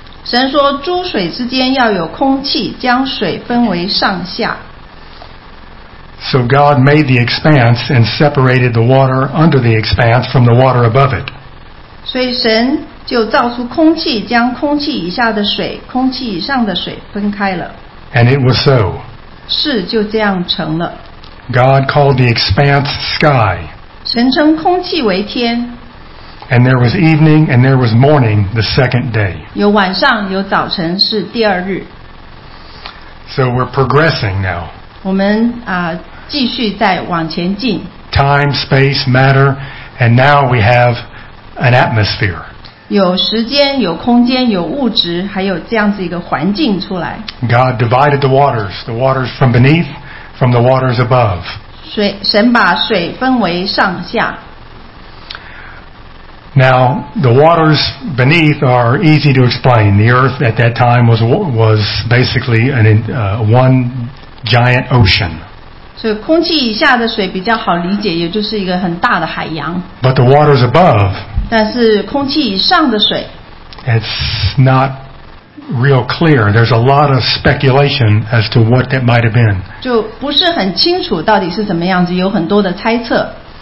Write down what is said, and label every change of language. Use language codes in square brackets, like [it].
[zh] 神说诸水之间要有空气将水分为上下。 [en] So God made the expanse and separated the water under the expanse from the water above it. [zh] 所以神就造出空气将空气以下的水空气以上的水分开了。 [en] And it was so. [zh] 是就这样成了。 [en] God called the expanse sky. [zh] 神称空气为天。 [en] And there was evening and there was morning the second day. [zh] 有晚上有早晨是第二日。 [en] So we're progressing now. [zh] 我们继续在往前进。 [en] Time, space, matter, and now we have an atmosphere. [zh] 有时间有空间有物质还有这样子一个环境出来。 [en] God divided the waters from beneath, from the waters above. [zh] 神把水分为上下。 [en] Now, the waters beneath are easy to explain. The earth at that time was basically one giant ocean. [zh] 所以空气以下的水比较好理解，也就是一个很大的海洋。 [en] But the waters above, [zh] 但是空气以上的水 [en] it's not real clear. There's a lot of speculation as to what that might have been. [zh] 就不是很清楚到底是怎么样子，有很多的猜测。